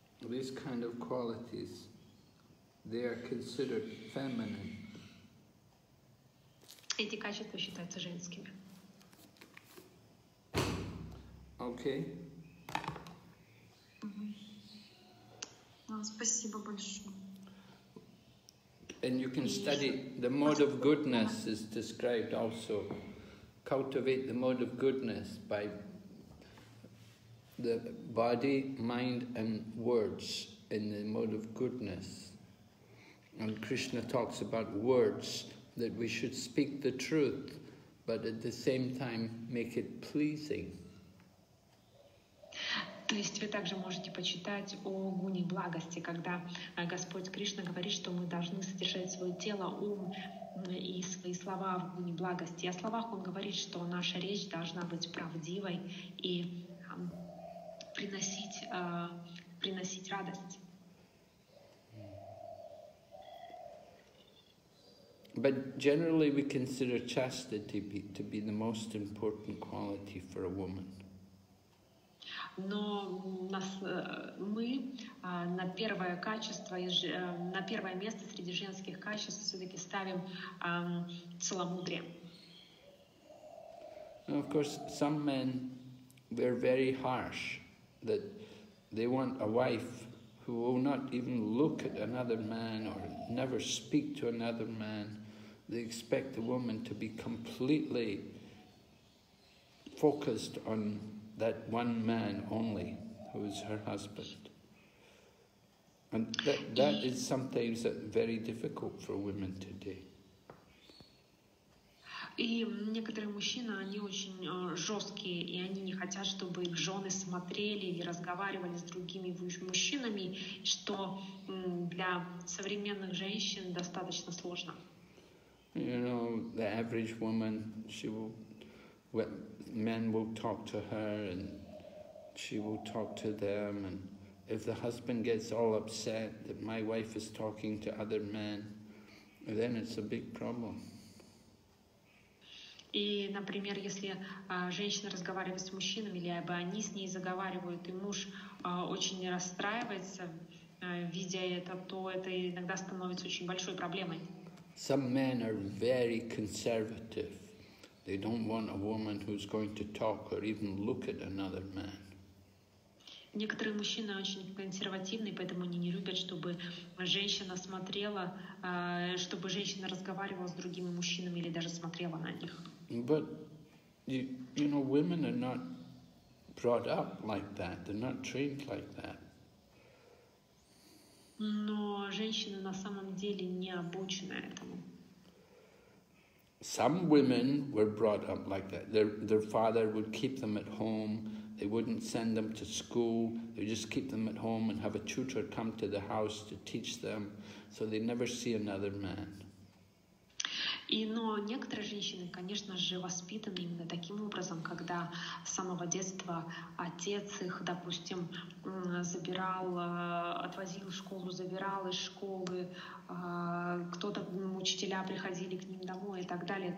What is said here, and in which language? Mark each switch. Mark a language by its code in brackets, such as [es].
[en] These kind of qualities, they are considered feminine. [ru] Эти качества считаются женскими. [en] Okay. [ru] Mm-hmm. Ну, спасибо большое. [en] And you can study the mode of goodness is described also. Cultivate the mode of goodness by the body, mind, and words in the mode of goodness. And Krishna talks about words, that we should speak the truth, but at the same time make it pleasing. [ru] То есть вы также можете почитать о гуне благости, когда Господь Кришна говорит, что мы должны содержать свое тело, ум и свои слова в гуне благости. И о словах он говорит, что наша речь должна быть правдивой и приносить радость. [en] But generally we consider chastity to be the most important quality for a woman. [ru] Но мы на первое качество, на первое место среди женских качеств все-таки ставим целомудрие. [en] And of course, some men, they're very harsh, that they want a wife who will not even look at another man or never speak to another man. They expect the woman to be completely focused on that one man only, who is her husband. And that is sometimes very difficult for women today. [ru] И некоторые мужчины, они очень жесткие, и они не хотят, чтобы их жены смотрели и разговаривали с другими мужчинами, что для современных женщин достаточно сложно. [en] You know, the average woman, she will, men will talk to her, and she will talk to them, and if the husband gets all upset that my wife is talking to other men, then it's a big problem. [ru] И, например, если женщина разговаривает с мужчинами, либо они с ней заговаривают, и муж очень расстраивается, видя это, то это иногда становится очень большой проблемой. [en] Some men are very conservative. They don't want a woman who's going to talk or even look at another man. [ru] Некоторые мужчины очень консервативные, поэтому они не любят, чтобы женщина смотрела, чтобы женщина разговаривала с другими мужчинами или даже смотрела на них. [en] But you know, women are not brought up like that. They're not trained like that. [ru] Но женщины на самом деле не обучены этому. [en] Some women were brought up like that. Their father would keep them at home. They wouldn't send them to school. They just keep them at home and have a tutor come to the house to teach them, so they never see another man. [ru] Но некоторые женщины, конечно же, воспитаны именно таким образом, когда с самого детства отец их, допустим, забирал, отвозил в школу, забирал из школы, кто-то, учителя приходили к ним домой и так далее.